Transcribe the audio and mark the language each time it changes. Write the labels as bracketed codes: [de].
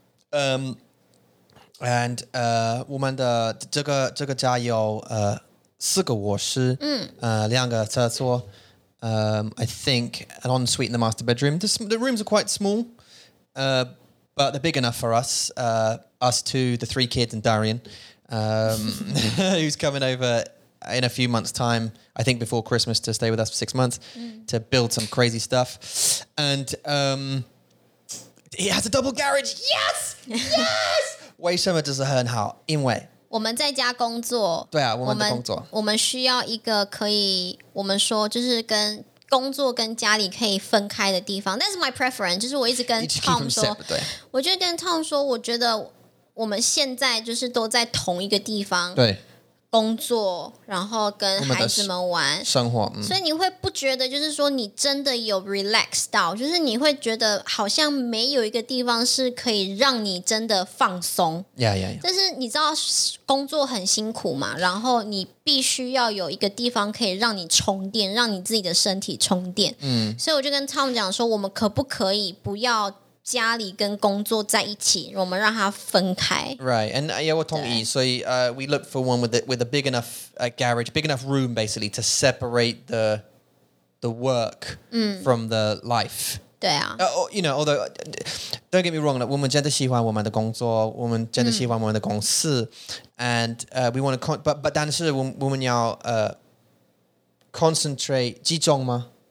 [en] and [zh] 我们的这个家有四个卧室，两个厕所， [en] I think an ensuite in the master bedroom, the rooms are quite small, but they're big enough for us, us two, the three kids and Darian, who's coming over in a few months' time, I think before Christmas, to stay with us for 6 months, to build some crazy stuff. And it has a double garage. Yes! Yes! [zh] 为什么这是很好？因为我们在家工作。对啊，我们的工作。我们需要一个可以，我们说就是跟工作跟家里可以分开的地方。 [en] That's my preference. [zh] 就是我一直跟 Tom 说，我就跟 Tom 说，我觉得我们现在就是都在同一个地方。对。工作，然后跟孩子们玩生活，所以你会不觉得就是说你真的有 relax 到，就是你会觉得好像没有一个地方是可以让你真的放松。 [en] Yeah, yeah, yeah. [zh] 但是你知道工作很辛苦嘛，然后你必须要有一个地方可以让你充电，让你自己的身体充电。嗯，所以我就跟 Tom 讲说，我们可不可以不要家里跟工作在一起，我们让它分开。 [en] Right, and yeah, [zh] 我同意。所以 [en] we look for one with a big enough garage, big enough room, basically, to separate the work from the life. [zh] 对啊。 [en] You know, although, don't get me wrong, [zh] 我们真的喜欢我们的工作，我们真的喜欢我们的公司， [en] and we want to, but [zh] 但是我们要 [en] concentrate, [zh] 集中吗？